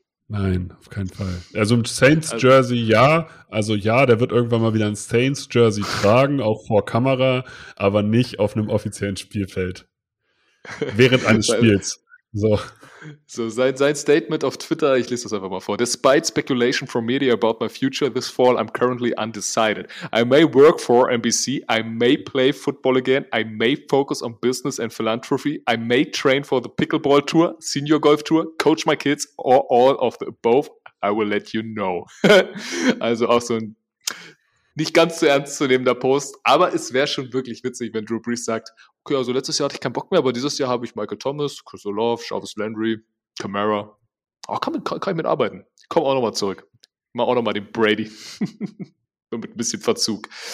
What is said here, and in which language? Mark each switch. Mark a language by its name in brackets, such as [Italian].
[German] Nein, auf keinen Fall. Also im Saints Jersey, ja. Also ja, der wird irgendwann mal wieder ein Saints Jersey tragen, auch vor Kamera, aber nicht auf einem offiziellen Spielfeld. Während eines Spiels. So sein Statement auf Twitter, ich lese das einfach mal vor. [English] Despite speculation from media about my future this fall, I'm currently undecided. I may work for NBC, I may play football again, I may focus on business and philanthropy, I may train for the pickleball tour, senior golf tour, coach my kids or all of the above, I will let you know. [German] Also auch so ein nicht ganz so ernst zu nehmender Post, aber es wäre schon wirklich witzig, wenn Drew Brees sagt, okay, also letztes Jahr hatte ich keinen Bock mehr, aber dieses Jahr habe ich Michael Thomas, Chris Olave, Jarvis Landry, Kamara. Kann ich mitarbeiten. Ich komme auch nochmal zurück. Mach auch nochmal den Brady. Mit ein bisschen Verzug.